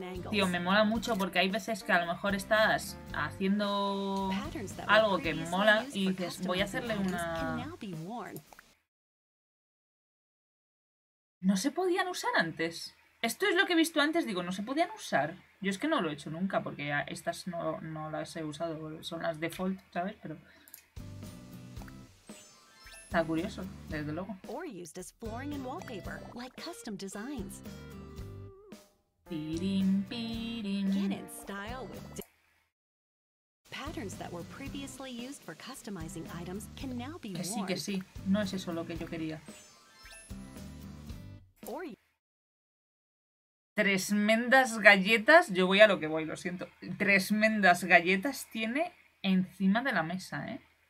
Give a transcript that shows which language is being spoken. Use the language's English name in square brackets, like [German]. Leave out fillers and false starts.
[Spanish] Tío, me mola mucho porque hay veces que a lo mejor estás haciendo algo que mola y dices, voy a hacerle una. No se podían usar antes. Esto es lo que he visto antes, digo, no se podían usar. Yo es que no lo he hecho nunca porque estas no las he usado, son las default, ¿sabes? Pero. Está curioso, desde luego. [English] Or used as flooring and wallpaper, like custom designs. Pirim, pirim. Again in style with patterns that were previously used for customizing items can now be worn. [Spanish] Que sí, no es eso lo que yo quería. Or Tresmendas galletas, yo voy a lo que voy, lo siento. Tresmendas galletas tiene encima de la mesa, ¿eh?